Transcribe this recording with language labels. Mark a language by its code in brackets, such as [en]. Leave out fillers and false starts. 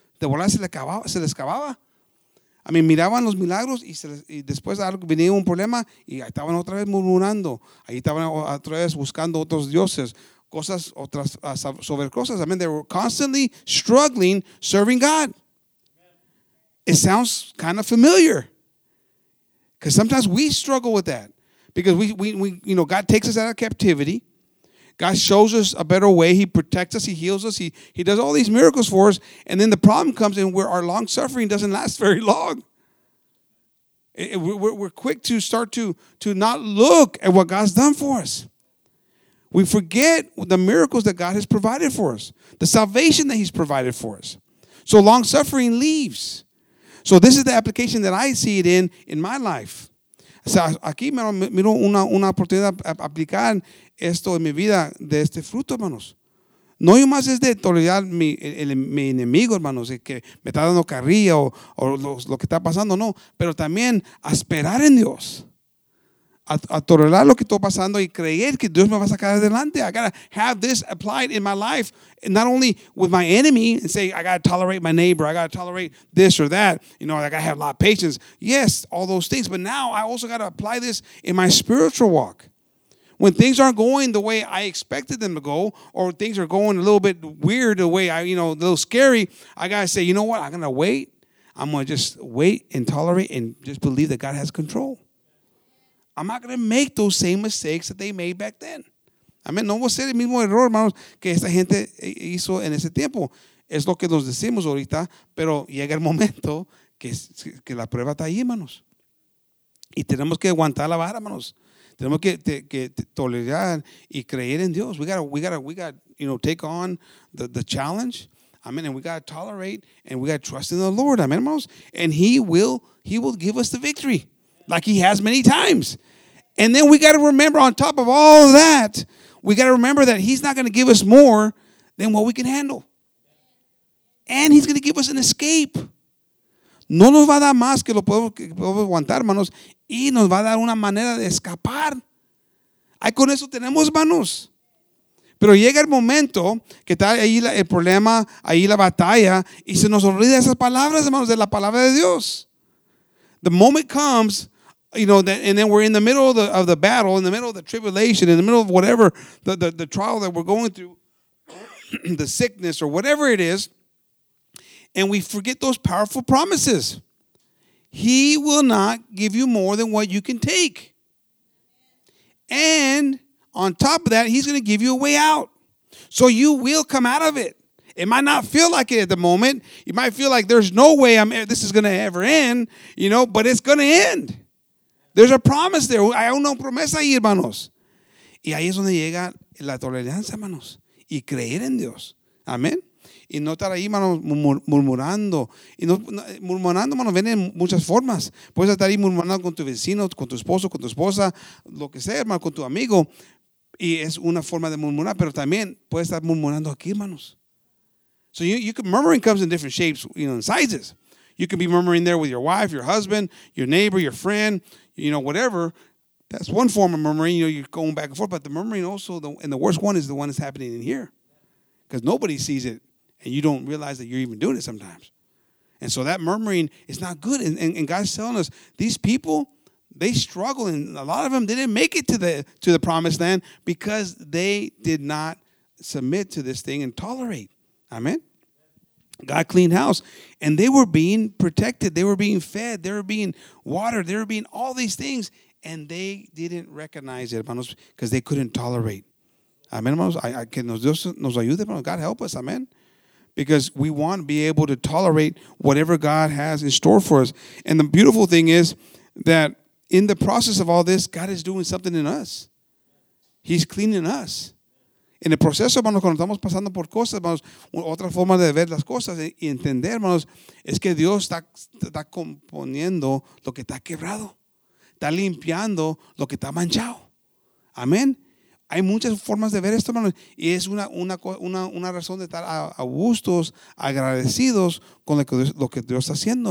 [es] De volar se les acababa. A mí miraban los milagros y después venía un problema y ahí estaban otra vez murmurando. Ahí estaban otra vez buscando otros dioses, cosas otras sobre cosas. [en] I mean, they were constantly struggling serving God. It sounds kind of familiar, because sometimes we struggle with that, because we you know, God takes us out of captivity, God shows us a better way, He protects us, He heals us, He does all these miracles for us, and then the problem comes in where our long suffering doesn't last very long. We're quick to start to not look at what God's done for us. We forget the miracles that God has provided for us, the salvation that He's provided for us. So long suffering leaves. So this is the application that I see it in my life. [es] O sea, aquí miro una oportunidad de aplicar esto en mi vida de este fruto, hermanos. No yo más es de tolerar mi enemigo, hermanos, que me está dando carrilla o lo que está pasando, no. Pero también a esperar en Dios. A tolerar lo que está pasando y creer que Dios me va a sacar adelante. [en] I got to have this applied in my life, not only with my enemy and say, I got to tolerate my neighbor, I got to tolerate this or that. You know, I got to have a lot of patience. Yes, all those things. But now I also got to apply this in my spiritual walk. When things aren't going the way I expected them to go, or things are going a little bit weird, the way I, you know, a little scary, I got to say, you know what? I'm going to wait. I'm going to just wait and tolerate and just believe that God has control. I'm not going to make those same mistakes that they made back then. Amen. [es] No voy a ser el mismo error, hermanos, que esta gente hizo en ese tiempo. Es lo que nos decimos ahorita, pero llega el momento que la prueba está ahí, hermanos. Y tenemos que aguantar la vara, hermanos. Tenemos que tolerar y creer en Dios. [en] We got to take on the challenge. Amen. And we got to tolerate and we got to trust in the Lord. Amen, hermanos. And he will give us the victory. Like he has many times. And then we got to remember, on top of all of that, we got to remember that he's not going to give us more than what we can handle. And he's going to give us an escape. [es] No nos va a dar más que lo podemos aguantar, hermanos. Y nos va a dar una manera de escapar. Ahí con eso tenemos, hermanos. Pero llega el momento que está ahí el problema, ahí la batalla, y se nos olvida esas palabras, hermanos, de la palabra de Dios. [en] the moment comes, you know, that, and then we're in the middle of the battle, in the middle of the tribulation, in the middle of whatever the trial that we're going through, the sickness or whatever it is, and we forget those powerful promises. He will not give you more than what you can take. And on top of that, he's going to give you a way out. So you will come out of it. It might not feel like it at the moment. You might feel like there's no way this is going to ever end, you know, but it's going to end. There's a promise there. [es] Hay una promesa ahí, hermanos. Y ahí es donde llega la tolerancia, hermanos. Y creer en Dios. Amén. Y no estar ahí, hermanos, murmurando. Y no, murmurando, hermanos, viene en muchas formas. Puedes estar ahí murmurando con tu vecino, con tu esposo, con tu esposa, lo que sea, hermano, con tu amigo. Y es una forma de murmurar, pero también puedes estar murmurando aquí, hermanos. [en] So you can, murmuring comes in different shapes, you know, and sizes. You can be murmuring there with your wife, your husband, your neighbor, your friend, you know, whatever. That's one form of murmuring. You know, you're going back and forth. But the murmuring also, and the worst one is the one that's happening in here. Because nobody sees it. And you don't realize that you're even doing it sometimes. And so that murmuring is not good. And God's telling us, these people, they struggle. And a lot of them, they didn't make it to the promised land because they did not submit to this thing and tolerate. Amen. God cleaned house. And they were being protected. They were being fed. They were being watered. They were being all these things. And they didn't recognize it, hermanos, because they couldn't tolerate. Amen, hermanos. [es] Que nos ayude, hermanos. [en] God help us. Amen. Because we want to be able to tolerate whatever God has in store for us. And the beautiful thing is that in the process of all this, God is doing something in us. He's cleaning us. [es] En el proceso, hermanos, cuando estamos pasando por cosas, hermanos, otra forma de ver las cosas y entender, hermanos, es que Dios está componiendo lo que está quebrado. Está limpiando lo que está manchado. Amén. Hay muchas formas de ver esto, hermanos, y es una razón de estar a gustos, agradecidos con lo que Dios está haciendo.